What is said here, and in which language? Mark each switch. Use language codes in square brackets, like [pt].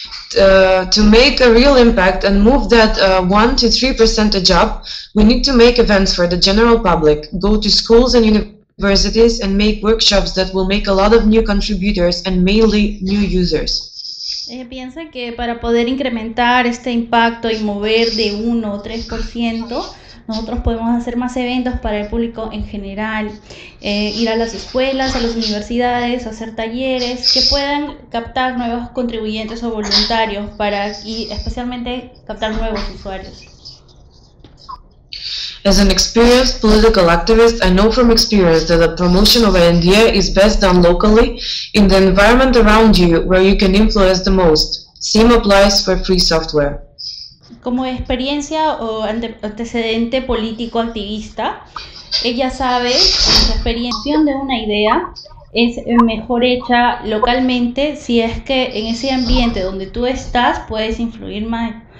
[en] To make a real impact and move that 1 to 3% up, we need to make events for the general public, go to schools and universities and make workshops that will make a lot of new contributors and mainly new users. [es] Piensa que para poder incrementar este impacto y mover de 1 o 3%, nosotros podemos hacer más eventos para el público en general, ir a las escuelas, a las universidades, hacer talleres que puedan captar nuevos contribuyentes o voluntarios y especialmente captar nuevos usuarios. [en] As an experienced political activist, I know from experience that the promotion of an idea is best done locally, in the environment around you, where you can influence the most. Same applies for free software. [es] Como experiencia o antecedente político activista, ella sabe que la experiencia de una idea es mejor hecha localmente si es que en ese ambiente donde tú estás puedes influir más.